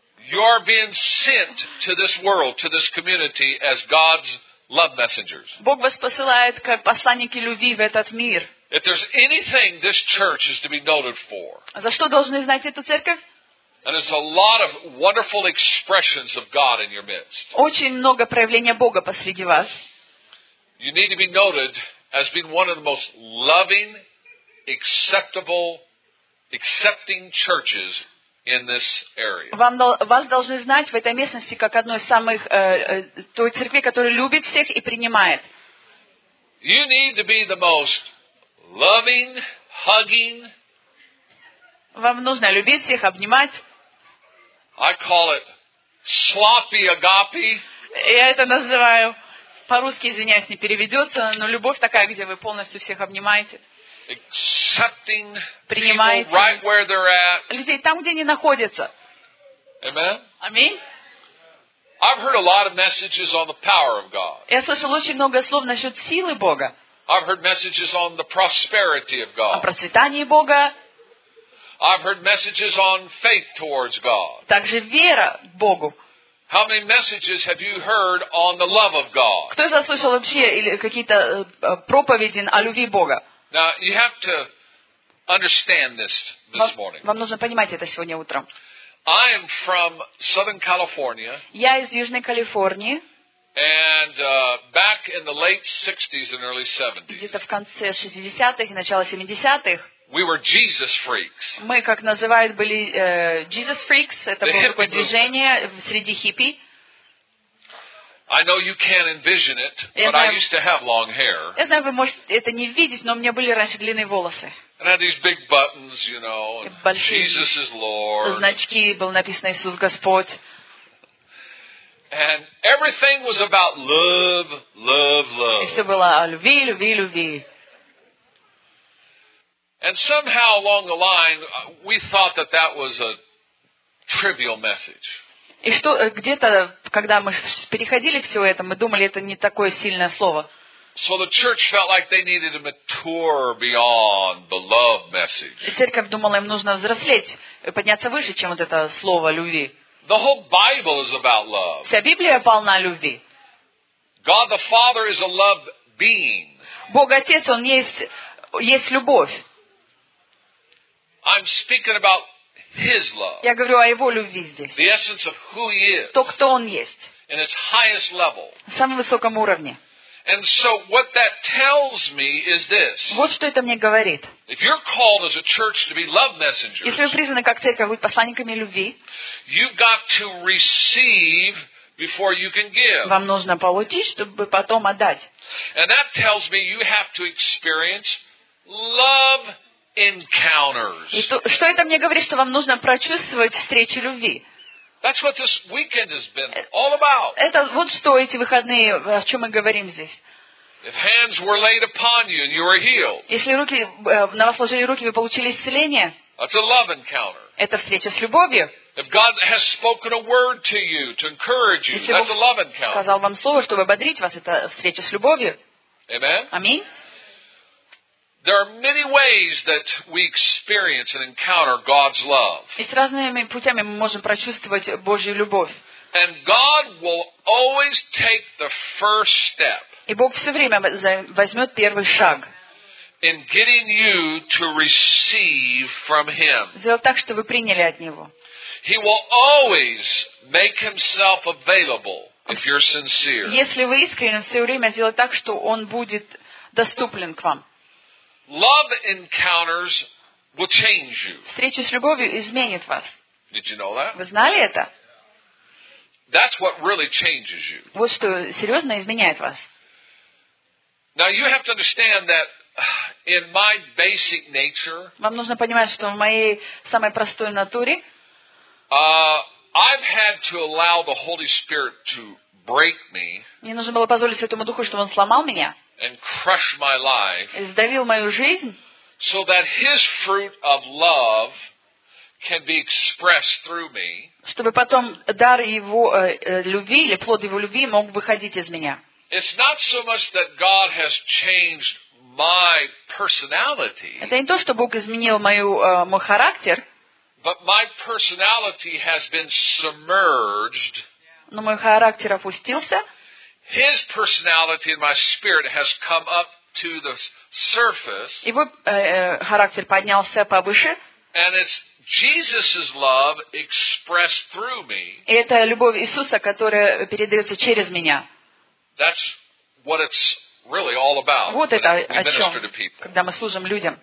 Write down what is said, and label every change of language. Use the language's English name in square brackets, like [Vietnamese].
[English] You are being sent to this world, to this community as God's love messengers. [Russian] Бог вас посылает как посланники любви в этот мир. [English] If there's anything this church is to be noted for. [Russian] За что должны знать эту церковь? [English] And there's a lot of wonderful expressions of God in your midst. [Russian] Очень много проявления Бога посреди вас. [English] You need to be noted as being one of the most loving, acceptable, accepting churches. In this area. [Russian] Вас должны знать в этой местности как одной из самых той церкви, которая любит всех и принимает. [English] You need to be the most loving, hugging. [Russian] Вам нужно любить всех, обнимать. [English] I call it sloppy agape. [Russian] Я это называю по-русски, извиняюсь, не переведется, но любовь такая, где вы полностью всех обнимаете. [English] Accepting people right where they're at. [Russian] Людей там, где они находятся. [English] Amen. [Russian] Аминь. [English] I've heard a lot of messages on the power of God. [Russian] Я слышал очень много слов насчет силы Бога. [English] I've heard messages on the prosperity of God. [Russian] О процветании Бога. [English] I've heard messages on faith towards God. [Russian] Также вера Богу. [English] How many messages have you heard on the love of God? [Russian] Кто из вас слышал вообще или какие-то проповеди о любви Бога? [English] Now you have to understand this morning. [Russian] Вам нужно понимать это сегодня утром. [English] I am from Southern California. [Russian] Я из Южной Калифорнии. [English] And back in the late 60s and early 70s. [Russian] Где-то в конце 60-х и начало 70-х. [English] We were Jesus freaks. [Russian] Мы, как называют, были [English] Jesus freaks. [Russian] Это было такое движение среди хиппи. [English] I know you can't envision it, but I used to have long hair. [Russian] Я знаю, вы можете это не видеть, но у меня были раньше длинные волосы. [English] And I had these big buttons, you know, and Jesus is Lord. [Russian] Значки было написано Иисус Господь. [English] And everything was about love, love, love. [Russian] И все было о любви, любви, любви. [English] And somehow along the line, we thought that that was a trivial message. [Russian] И что где-то, когда мы переходили все это, мы думали, это не такое сильное слово. [English] So the church felt like they needed to mature beyond the love message. [Russian] И церковь думала, им нужно взрослеть, подняться выше, чем вот это слово любви. [English] The whole Bible is about love. [Russian] Вся Библия полна любви. [English] God the Father is a love being. [Russian] Бог Отец, Он есть любовь. [English] I'm speaking about His love. [Russian] Я говорю о его любви здесь. [English] The essence of who he is. [Russian] То, кто он есть. [English] In its highest level. [Russian] В самом высоком уровне. [English] And so what that tells me is this. [Russian] Вот что это мне говорит. [English] If you're called as a church to be love messengers. [Russian] Если вы призваны как церковь быть посланниками любви. [English] You've got to receive before you can give. [Russian] Вам нужно получить, чтобы потом отдать. [English] And that tells me you have to experience love. Encounters. [Russian] И что это мне говорит, что вам нужно прочувствовать встречи любви? [English] That's what this weekend has been all about. [Russian] Это вот что эти выходные, о чем мы говорим здесь. [English] If hands were laid upon you and you were healed. [Russian] Если руки на вас ложили руки, вы получили исцеление. [English] That's a love encounter. [Russian] Это встреча с любовью. [English] If God has spoken a word to you to encourage you, that's a love encounter. [Russian] Если Бог сказал вам слово, чтобы ободрить вас, это встреча с любовью. [English] Amen. [Russian] Аминь. [English] There are many ways that we experience and encounter God's love. [Ukrainian] І з різними путями ми можемо прочувствувати Божу любов. [English] And God will always take the first step. [Ukrainian] І Бог все время візьме перший шаг. [English] In getting you to receive from him. [Ukrainian] Зробити так, щоб ви прийняли від нього. [English] He will always make himself available if you're sincere. [Ukrainian] Якщо ви щиро, все время зробити так, щоб він був доступен к вам. [English] Love encounters will change you. [Russian] Встреча с любовью изменит вас. [English] Did you know that? [Russian] Вы знали это? [English] That's what really changes you. [Russian] Вот что серьезно изменяет вас. [English] Now you have to understand that in my basic nature. [Russian] Вам нужно понимать, что в моей самой простой натуре. [English] I've had to allow the Holy Spirit to break me. [Russian] Мне нужно было позволить Святому Духу, чтобы он сломал меня. [English] And crush my life. [Russian] И сдавил мою жизнь. [English] So that his fruit of love can be expressed through me. [Russian] Чтобы потом дар его любви или плод его любви мог выходить из меня. [English] It's not so much that God has changed my personality. [Russian] Это не то, что Бог изменил мой характер. [English] But my personality has been submerged. [Russian] Но мой характер опустился. [English] His personality and my spirit has come up to the surface. [Russian] Его характер поднялся повыше. [English] And it's Jesus's love expressed through me. [Russian] И это любовь Иисуса, которая передается через меня. [English] That's what it's really all about. [Russian] Вот это о чем, когда мы служим людям.